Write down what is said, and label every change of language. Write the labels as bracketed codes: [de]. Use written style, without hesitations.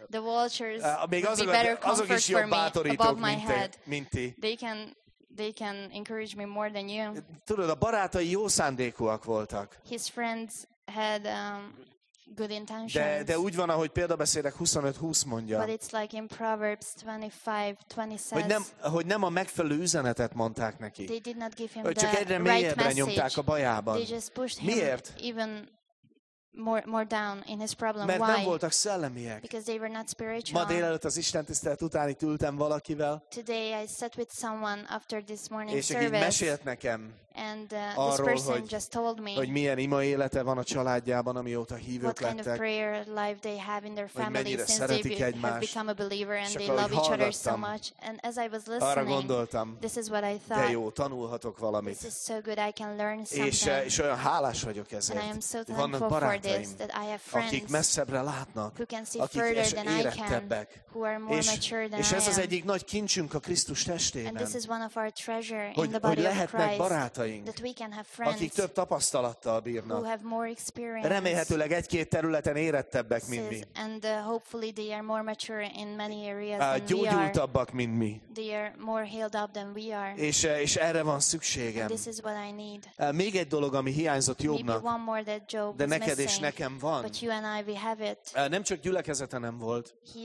[en] The vultures would be better comfort for me above my head. They can encourage me more than you. [hu] Tudod, a barátai jó szándékúak voltak. [en] His friends had good intentions. [hu] De úgy van, ahogy Példabeszédek 25:20 mondja. [en] But it's like in Proverbs 25:20 says. [hu] Hogy nem a megfelelő üzenetet mondták neki. [en] They did not give him the right message. They just pushed him. [hu] Miért? [en] Even more down in his problem. [hu] Mert [en] why? [hu] Nem voltak szellemiek. [en] Because they were not spiritual. [hu] Ma délelőtt az istentisztelet után itt ültem valakivel. [en] Today I sat with someone after this morning [hu] és [en] service. [hu] És így mesélt nekem. [en] And [hu] arról, [en] this person just told me. [hu] Hogy milyen ima élete van a családjában, amióta hívők lettek. [en] What kind [hu] lettek, [en] of prayer life they have in their family since they have become a believer and they love each other so much. And as I was listening, [hu] arra gondoltam, [en] this is what I thought. [hu] De jó, tanulhatok valamit. [en] This is so good, I can learn something. [hu] És olyan hálás vagyok ezért. [en] And I am so thankful for this, [hu] akik messzebbre látnak, [en] who can see further than I can, who are more mature than [hu] és ez az egyik nagy kincsünk a Krisztus testében. [en] And this is one of our treasure [hu] hogy, [en] in the body of Christ. [hu] Barátaink, [en] that we can have friends, [hu] akik több tapasztalattal bírnak. [en] Who have more experience. [hu] Remélhetőleg egy-két területen érettebbek, mint mi. [en] And hopefully they are more mature in many areas than we are. [hu] Gyógyultabbak, mint mi. [en] They are more healed up than we are. [hu] És erre van szükségem. [en] This is what I need. [hu] Még egy dolog, ami hiányzott Jobnak. [en] Maybe one more that Job [hu] de neked és nekem van. [en] But you and I, we have it. [hu] Nem csak gyülekezete nem volt.